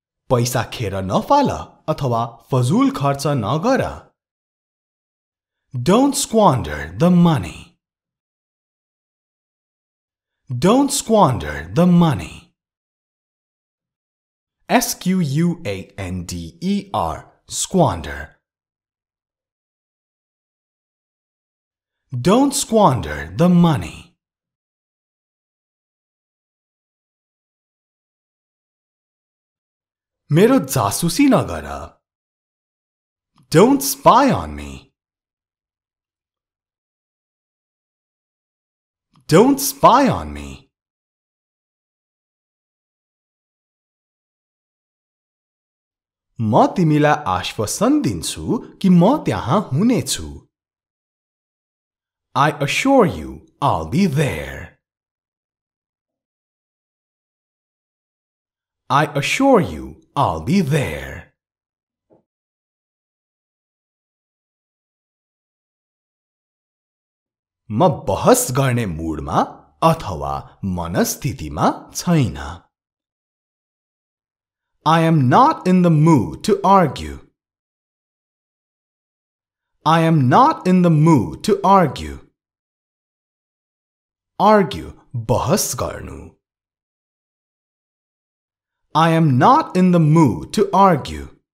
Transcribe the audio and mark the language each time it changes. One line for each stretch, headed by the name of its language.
Nepali: पैसा खेर नफाल अथवा फजूल खर्च नगर
English: Don't squander the money. Don't squander the money. S-Q-U-A-N-D-E-R, squander. Don't squander the money.
Nepali: मेरो जासूसी नगर
English: Don't spy on me. Don't spy on me.
Nepali: म तिमीलाई आश्वासन दिन्छु कि म त्यहाँ हुनेछु.
English: I assure you, I'll be there. I assure you, I'll be there.
Nepali: म बहस गर्ने मूडमा अथवा मनस्थितिमा छैन.
English: I am not in the mood to argue. I am not in the mood to argue.
Nepali: Argue, बहस गर्नु.
English: I am not in the mood to argue.